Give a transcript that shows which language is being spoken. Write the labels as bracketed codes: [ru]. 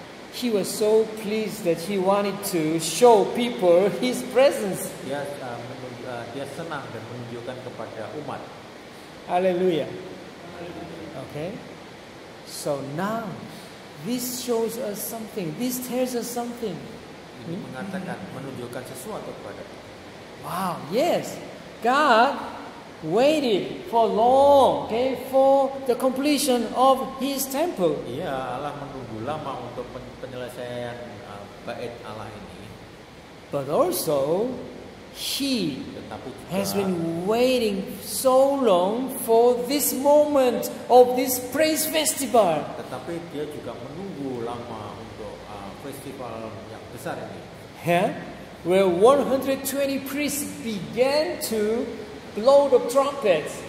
[en] He was so pleased that he wanted to show people his presence. [id] Dia senang dan menunjukkan kepada umat. [en] Hallelujah. Okay. So now, this shows us something. This tells us something. [id] Ini mengatakan, menunjukkan sesuatu kepada. [en] Wow. Yes. God waited for long, okay, for the completion of His temple. [id] Iya, Allah menunggu lama untuk penyelesaian bait Allah ini. [en] But also, He has been waiting so long for this moment of this praise festival. [id] Tetapi dia juga menunggu lama untuk festival yang besar ini. [en] Where 120 priests began to blow the trumpets.